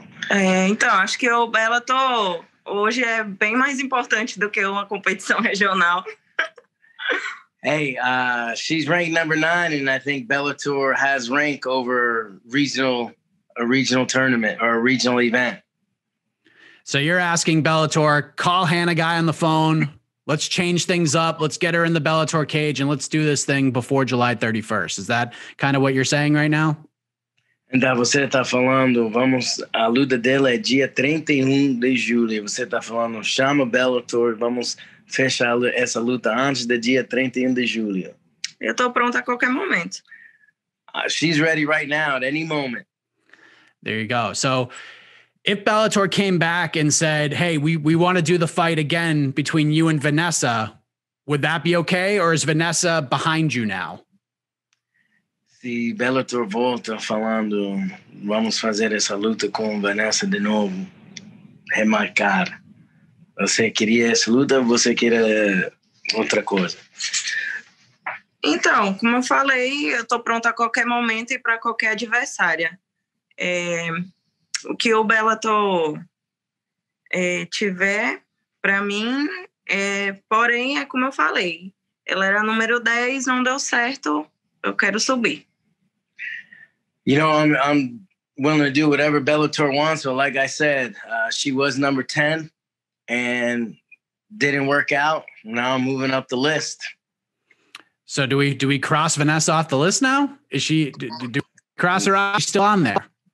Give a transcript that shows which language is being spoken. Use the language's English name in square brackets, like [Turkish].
[Portuguese] Então, acho que o Bellator hoje é bem mais importante do que uma competição regional. [English] Hey, she's ranked number 9, and I think Bellator has rank over a regional tournament or a regional event. So you're asking Bellator, call Hannah Guy on the phone. Let's change things up. Let's get her in the Bellator cage, and let's do this thing before July 31st. Is that kind of what you're saying right now? [Portuguese] Ainda você está falando, vamos, a luta dela é dia 31 de julho. Você está falando, chama Bellator, vamos fechar essa luta antes do dia 31 de julho. Eu estou pronta a qualquer momento. [English] She's ready right now, at any moment. There you go. So if Bellator came back and said, hey, we want to do the fight again between you and Vanessa, would that be okay, or is Vanessa behind you now? [Portuguese] E Bellator volta falando, vamos fazer essa luta com Vanessa de novo, remarcar. Você queria essa luta ou você queria outra coisa? Então, como eu falei, eu estou pronta a qualquer momento e para qualquer adversária. O que o Bellator tiver para mim, porém, é como eu falei, ela era número 10, não deu certo, eu quero subir. [English] You know, I'm willing to do whatever Bellator wants. So, like I said, she was number 10 and didn't work out. Now I'm moving up the list. So do we cross Vanessa off the list now? Is she do cross her off? She's still on there.